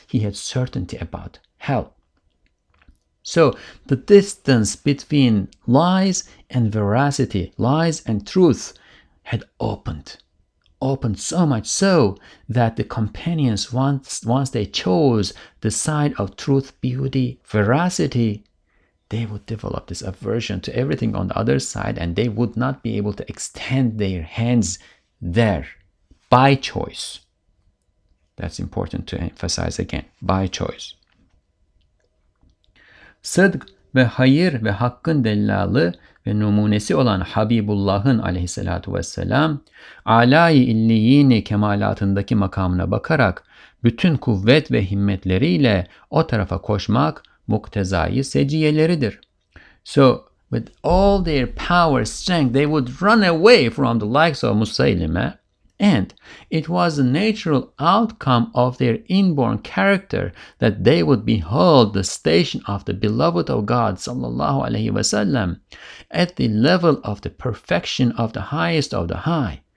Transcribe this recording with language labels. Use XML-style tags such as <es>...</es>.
<en>He had certainty about hell. So the distance between lies and veracity, lies and truth, had opened so much so that the companions, once they chose the side of truth, beauty, veracity, they would develop this aversion to everything on the other side, and they would not be able to extend their hands there by choice. That's important to emphasize again, by choice.</en> <tr>Sıdk ve hayır ve hakkın dellalı ve numunesi olan Habibullah'ın aleyhissalatu vesselam, alâ-i illiyyini kemalatındaki makamına bakarak bütün kuvvet ve himmetleriyle o tarafa koşmak muktezayı seciyeleridir.</tr> <en>So with all their power, strength, they would run away from the likes of Musaylime, and it was a natural outcome of their inborn character that they would behold the station of the beloved of God sallallahu alaihi wasallam at the level of the perfection of the highest of the high.</en>